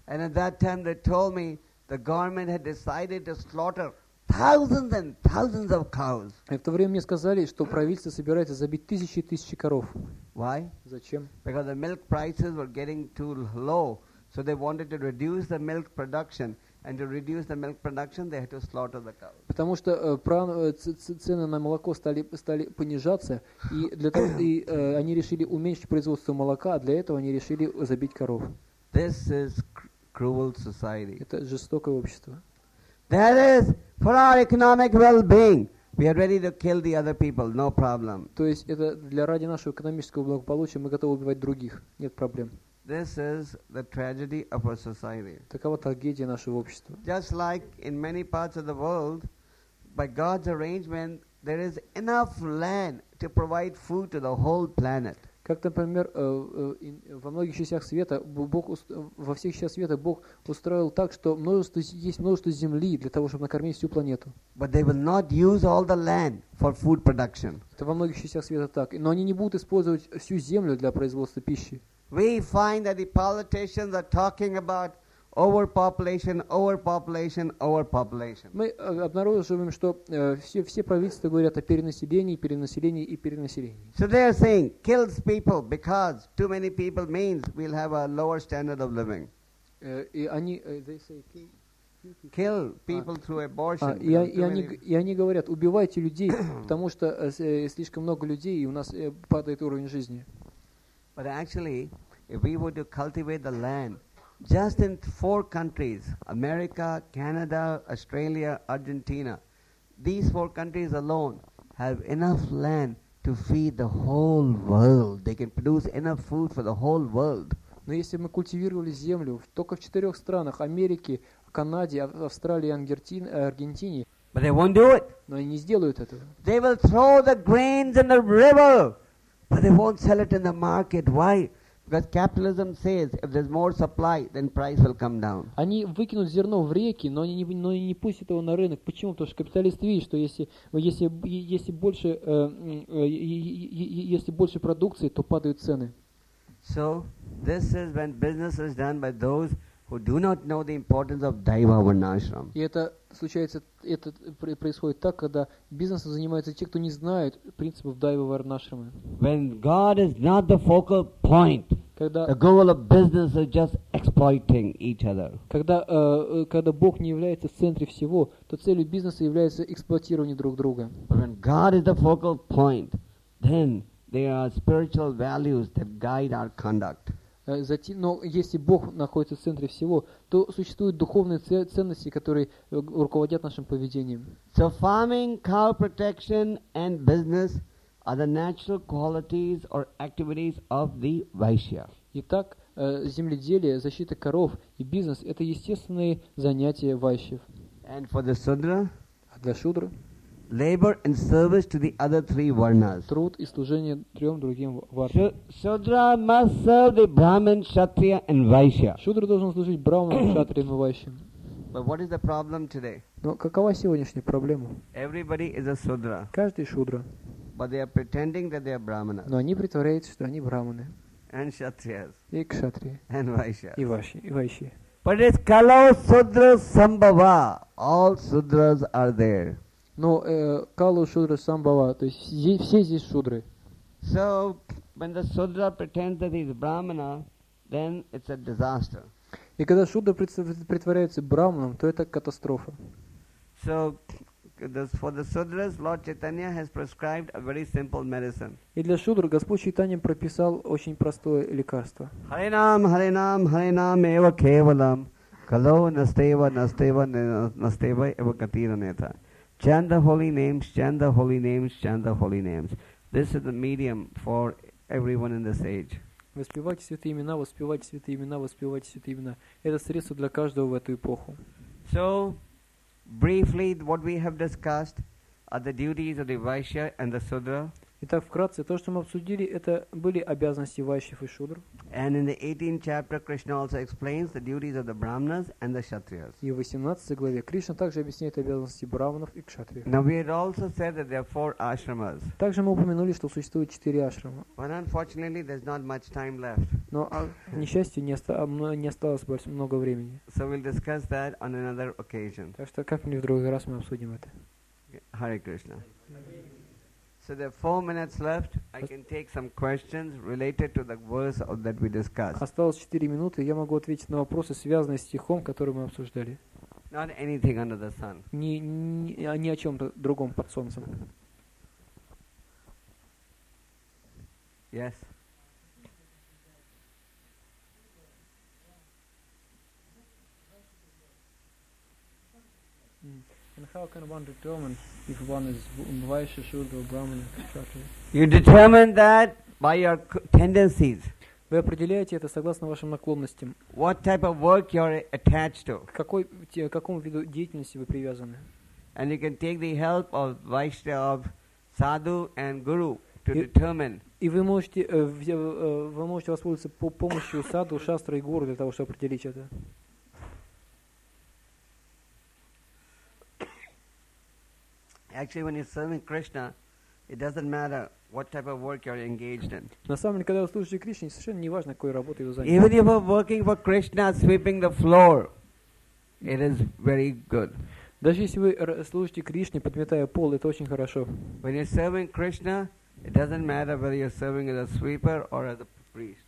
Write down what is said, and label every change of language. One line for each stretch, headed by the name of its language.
English: And at that time, they told me the government had decided to slaughter thousands and thousands of cows.
Russian: И в то время мне сказали, что правительство собирается забить тысячи и тысячи коров.
English: Why?
Russian: Зачем?
English: Because the milk prices were getting too low, so they wanted to reduce the milk production. And to reduce the milk production, they had to slaughter the cows.
Russian: Потому что цены на молоко стали понижаться, и они решили уменьшить производство молока, а для этого они решили забить коров.
English: This is cruel society.
Russian: Это жестокое общество.
English: That is for our economic well-being. We are ready to kill the other people. No problem.
Russian: То есть это для ради нашего экономического благополучия мы готовы убивать других. Нет проблем.
English: This is the tragedy of our society.
Russian: Такова трагедия нашего общества.
English: Just like in many parts of the world, by God's arrangement, there is enough land to provide food to the whole planet.
Russian: Как, например, во многих частях света Бог, во всех частях света Бог устроил так, что множество, есть множество земли для того, чтобы накормить всю планету.
English: But they will not use all the land for food production.
Russian: Это во многих частях света так, но они не будут использовать всю землю для производства пищи.
English: We find that the politicians are talking about overpopulation, overpopulation, overpopulation.
Russian: Мы обнаруживаем, что все правительства говорят о перенаселении, перенаселении и перенаселении.
English: So they are saying, kills people because too many people means we'll have a lower standard of living.
Russian: Они
English: they say kill people through abortion.
Russian: И они говорят, убивайте людей, потому что слишком много людей и у нас падает уровень жизни.
English: But actually, if we were to cultivate the land. Just in four countries, America, Canada, Australia, Argentina, these four countries alone have enough land to feed the whole world. They can produce enough food for the whole world.
Russian: Но если мы культивировали землю только в четырех странах, Америке, Канаде, Австралии, Аргентине,
English: but they won't do it.
Russian: Но они не сделают этого.
English: They will throw the grains in the river, but they won't sell it in the market. Why? Because capitalism says if there's more supply, then price will come down.
Russian: Они выкинут зерно в реки, но они не пустят его на рынок. Почему? Потому что капиталисты видят, что если больше продукции, то падают цены.
English: So this is when business is done by those who do not know the importance of Daiva Varnashram.
Russian: И это случается, это происходит так, когда бизнесом занимаются те, кто не знают принципов Дайва Варнашрама.
English: When God is not the focal point,
Russian: когда,
English: the goal of business is just exploiting each other.
Russian: Когда Бог не является в центре всего, то целью бизнеса является эксплуатирование друг друга.
English: But when God is the focal point, then there are spiritual values that guide our conduct.
Russian: Но если Бог находится в центре всего, то существуют духовные ценности, которые руководят нашим поведением.
English: So farming, cow protection and business are the natural qualities or activities of the Vaishya.
Russian: Итак, земледелие, защита коров и бизнес – это естественные занятия вайшьев.
English: And for the Sudra,
Russian: а для Шудры,
English: labor and service to the other three varnas.
Russian: Труд и служение трем другим варнам.
English: Shudra must serve the Brahmin, Kshatriya and Vaishya.
Russian: Шудра должен служить Брахману, Кшатриям и Вайшьям.
English: But what is the problem today?
Russian: Но какова сегодняшняя проблема?
English: Everybody is a Shudra.
Russian: Каждый Шудра.
English: But they are pretending that they are Brahmanas.
Russian: Но они притворяются, что они Брахманы.
English: And Kshatriyas.
Russian: И Кшатрия.
English: And Vaishya.
Russian: И Вайшьи.
English: But it's Kalo Shudra Sambhava. All Shudras are there.
Russian: Но Калу Шудра Самбава, то есть все здесь шудры.
English: So when the Shudra pretends that he is Brahmana, then it's a disaster.
Russian: И когда Шудра притворяется Брахманом, то это катастрофа.
English: So for the Shudras, Lord Chaitanya has prescribed a very simple medicine.
Russian: И для Шудра Господь Чайтанья прописал очень простое лекарство.
Sanskrit: Харинам, Харинам, Харинам, Эва Кевалам, Кало Настева, Настева, Настева, Эва Катира Нета.
English: Chant the holy names, chant the holy names, chant the holy names. This is the medium for everyone in this age.
Russian: Воспевайте святые имена, воспевайте святые имена, воспевайте святые имена. Это средство для каждого в эту эпоху.
English: So, briefly, what we have discussed are the duties of the Vaishya and the Sudra.
Russian: Итак, вкратце, то, что мы обсудили, это были обязанности вайшьев и шудр.
English: And in the 18th chapter, Krishna also explains the duties of the Brahmanas and the Kshatriyas.
Russian: И в 18 главе Кришна также объясняет обязанности брахманов и кшатриев.
English: Now we had also said that there are four ashramas.
Russian: Также мы упомянули, что существует четыре ашрама.
English: But unfortunately, there's not much time left.
Russian: Но, к несчастью, не осталось больше много времени.
English: So we'll discuss that on another occasion.
Russian: Так что как-нибудь в другой раз мы обсудим это.
English: Hare Krishna. So there are 4 minutes left. I can take some questions related to the verse that we discussed.
Russian: Осталось 4 минуты. Я могу ответить на вопросы, связанные с стихом, который мы обсуждали.
English: Not anything under the sun.
Russian: Ни о чем-то другом под солнцем.
English: Yes. And how can one determine if one is Vaishya, Shudra, Brahmana, Kshatriya? You determine that by your tendencies.
Russian: Вы определяете это согласно вашим наклонностям.
English: What type of work you are attached to?
Russian: К какому виду деятельности вы привязаны?
English: And you can take the help of Vaishya, of Sadhu and Guru. to determine.
Russian: И вы можете воспользоваться помощью саду, шастры и гуру для того, чтобы определить это.
English: Actually, when you're serving Krishna, it doesn't matter what type of work you're engaged in.
Russian: На самом деле, когда вы служите Кришне, совершенно не важно, какой работой вы занимаетесь.
English: Even if you're working for Krishna, sweeping the floor, it is very good.
Russian: Даже если вы служите Кришне, подметая пол, это очень хорошо.
English: When you're serving Krishna, it doesn't matter whether you're serving as a sweeper or as a priest.